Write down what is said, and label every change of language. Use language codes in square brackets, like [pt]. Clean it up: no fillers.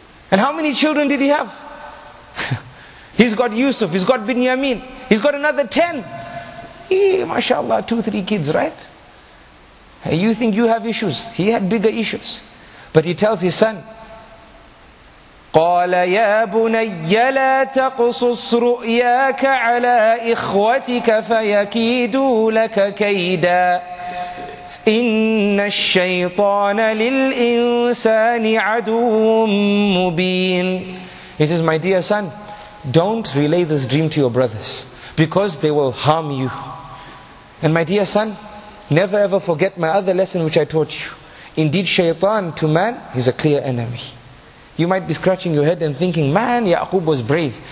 [en] And how many children did he have? He's got Yusuf, he's got Binyamin, he's got another 10. MashaAllah, 2-3 kids, right? Hey, you think you have issues? He had bigger issues. But he tells his son, [ar] قال يا بني لا تقصص رؤياك على إخوتك فيكيدوا لك كيدا إن الشيطان للإنسان عدو مبين. [en] He says, my dear son, don't relay this dream to your brothers because they will harm you. And my dear son, never ever forget my other lesson which I taught you. Indeed, shaitan to man is a clear enemy. You might be scratching your head and thinking, man, Ya'qub was brave.